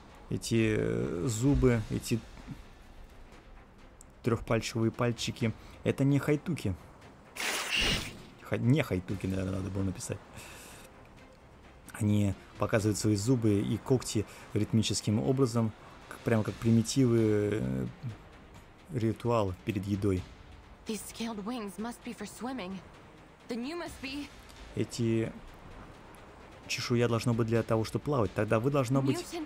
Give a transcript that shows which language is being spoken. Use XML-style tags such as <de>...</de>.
<ru>Эти зубы, эти трехпальчевые пальчики, это не хойтуки. Не хойтуки, наверное, надо было написать. Они показывают свои зубы и когти ритмическим образом, прямо как примитивы ритуал перед едой.</ru> <en>These scaled wings must be for swimming. Then you must be...</en> <ru>Эти чешуя должна быть для того, чтобы плавать. Тогда вы должно быть...</ru>